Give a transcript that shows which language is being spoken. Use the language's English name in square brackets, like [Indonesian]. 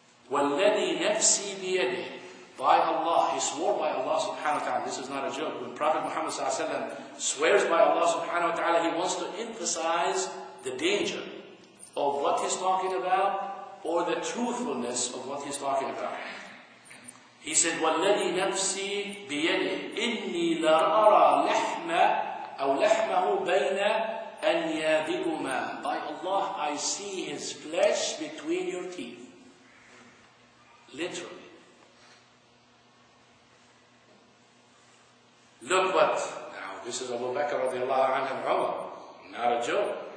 [Arabic] وَالَّذِي نَفْسِي بِيَدِهِ. [English] By Allah, he swore by Allah subhanahu wa ta'ala. This is not a joke. When Prophet Muhammad sallallahu alayhi wa sallam swears by Allah subhanahu wa ta'ala, he wants to emphasize the danger of what he's talking about or the truthfulness of what he's talking about. He said, [Arabic] وَالَّذِي نَفْسِي بِيَدِهِ إِنِّي لَرَأَرَى لَحْمَ أَوْ لَحْمَهُ بَيْنَ أَنْ يَذِكُمَا. [English] By Allah, I see his flesh between your teeth. Literally. Look what, now this is Abu Bakr radiallahu anhu and Umar, not a joke.